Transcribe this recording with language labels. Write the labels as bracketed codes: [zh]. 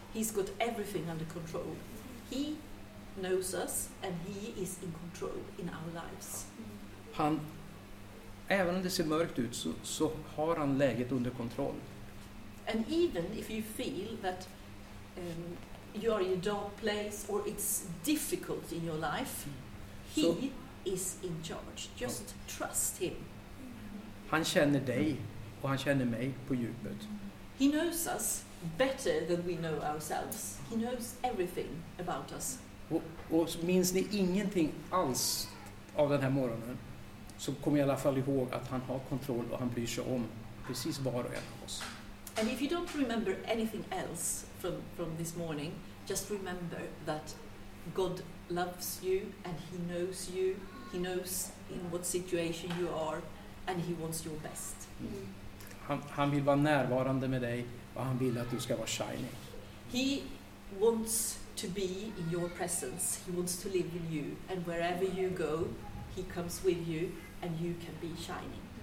[en] He's got everything under control. He knows us and he is in control in our lives. [sv] Han, även om det ser mörkt ut så har han läget under kontroll. [en] And even if you feel that you are in a dark place or it's difficult in your life, he is in charge. Just trust him. [sv] Han känner dig och han känner mig på djupet. [en] He knows us better than we know ourselves. He knows everything about us. [sv] Och minns ni ingenting alls av den här morgonen så kommer jag i alla fall ihåg att han har kontroll och han bryr sig om precis var och en av oss. [en] And if you don't remember anything else from this morning, just remember that God loves you and he knows you. He knows in what situation you are and he wants your best. [sv] Han vill vara närvarande med dig och han vill att du ska vara shining. [en] He wants to be in your presence. He wants to live in you. And wherever you go, he comes with you and you can be shining.